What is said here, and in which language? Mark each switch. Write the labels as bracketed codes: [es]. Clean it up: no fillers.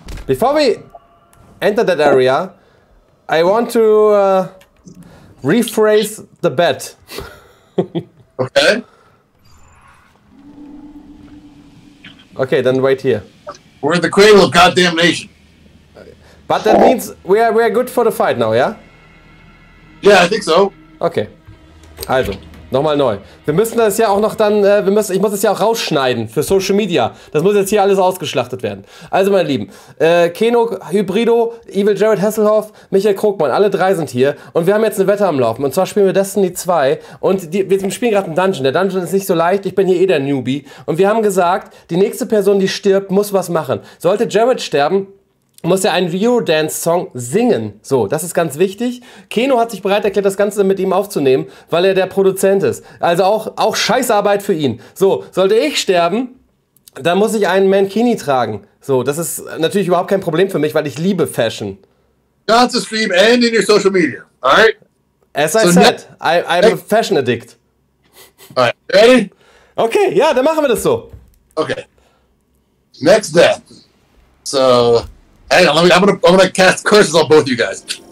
[en] Before we enter that area, I want to, rephrase the bet. Okay. Okay, then wait here. We're in the cradle of goddamn nation. But that means we are good for the fight now, yeah? Yeah, I think so. [de] Okay. Also, nochmal neu. Wir müssen das ja auch noch dann, ich muss das ja auch rausschneiden für Social Media. Das muss jetzt hier alles ausgeschlachtet werden. Also, meine Lieben, Keno, Hybrido, Evil Jared Hasselhoff, Michael Krogmann, alle drei sind hier. Und wir haben jetzt eine Wette am Laufen. Und zwar spielen wir Destiny 2. Und wir spielen gerade einen Dungeon. Der Dungeon ist nicht so leicht. Ich bin hier eh der Newbie. Und wir haben gesagt, die nächste Person, die stirbt, muss was machen. Sollte Jared sterben, muss er einen Eurodance-Song singen. So, das ist ganz wichtig. Keno hat sich bereit erklärt, das Ganze mit ihm aufzunehmen, weil er der Produzent ist. Also auch Scheißarbeit für ihn. So, sollte ich sterben, dann muss ich einen Mankini tragen. So, das ist natürlich überhaupt kein Problem für mich, weil ich liebe Fashion. [en] Ganze Stream and in your Social Media, alright? As so I said, I'm a Fashion Addict. Alright, ready? [de] Okay, ja, dann machen wir das so. [en] Okay. Next death. So... Hey, I'm gonna cast curses on both you guys.